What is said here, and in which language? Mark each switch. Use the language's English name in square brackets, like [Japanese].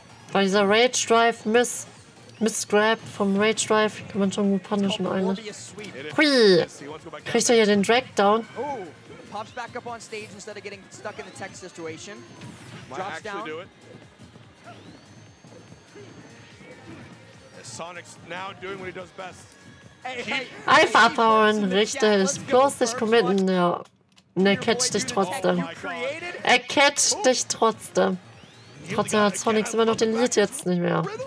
[German] Bei dieser Rage Drive Miss Grab vom Rage Drive kann man schon gut punishen eigentlich. Hui! Kriegt er hier den Drag Down? [English] Pops back up on stage instead of getting stuck in the tech situation. Drops down. Sonic's now doing what he does best. [German] Einfach abhauen, richtig. Bloß dich committen, ja. Ne, catch dich trotzdem. Er catcht dich trotzdem. Trotzdem hat Sonic immer noch den Lead jetzt nicht mehr.